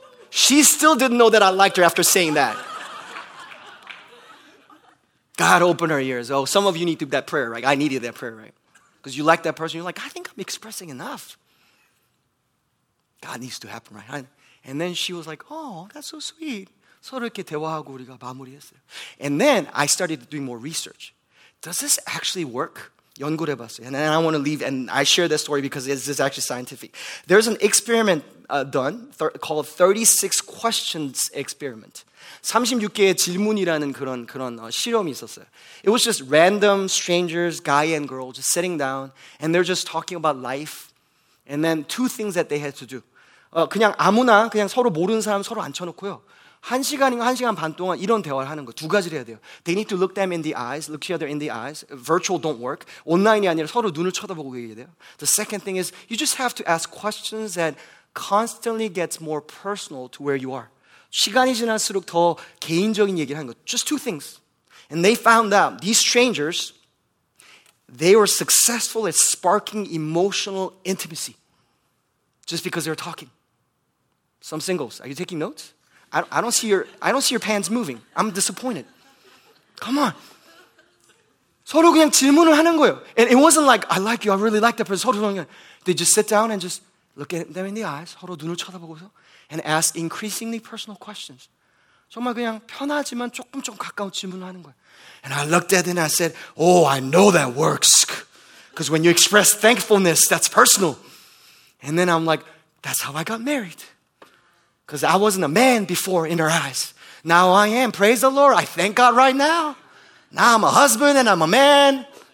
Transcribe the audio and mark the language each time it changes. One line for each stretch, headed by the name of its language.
English: She still didn't know that I liked her after saying that. God, open her ears. Oh, some of you need to do that prayer, right? I needed that prayer, right? Because you like that person. You're like, I think I'm expressing enough. God needs to happen, right? And then she was like, oh, that's so sweet.
Korean: 서로 이렇게 대화하고 우리가 마무리했어요.
English: And then I started doing more research. Does this actually work?
Korean: 연구를 해봤어요.
English: And then I want to leave, and I share this story because this is actually scientific. There's an experiment called 36 questions experiment.
Korean: 36개의 질문이라는 그런 실험이 있었어요.
English: It was just random strangers, guy and girl, just sitting down, and they're just talking about life. And then two things that they had to do.
Korean: 그냥 아무나 그냥 서로 모르는 사람 서로 앉혀놓고요. 한 시간인가 한 시간 반 동안 이런 대화를 하는 거 두 가지를 해야 돼요.
English: They need to look them in the eyes, look each other in the eyes. Virtual don't work.
Korean: 온라인이 아니라 서로 눈을 쳐다보고 얘기해야 돼요.
English: The second thing is you just have to ask questions that constantly gets more personal to where you are.
Korean: 시간이 지날수록 더 개인적인 얘기를 하는 거.
English: Just two things. And they found out these strangers, they were successful at sparking emotional intimacy just because they were talking. Some singles, are you taking notes? I don't see your pants moving. I'm disappointed. Come on.
Korean: 서로 그냥 질문을 하는 거예요.
English: And it wasn't like, I like you, I really like that person.
Korean: 서로 그냥,
English: they just sit down and just look at them in the eyes,
Korean: 서로 눈을 쳐다보고서,
English: and ask increasingly personal questions.
Korean: 정말 그냥 편하지만 조금 좀 가까운 질문을 하는 거예요.
English: And I looked at it and I said, oh, I know that works. Because when you express thankfulness, that's personal. And then I'm like, that's how I got married. Because I wasn't a man before in her eyes. Now I am. Praise the Lord. I thank God right now. Now I'm a husband and I'm a man.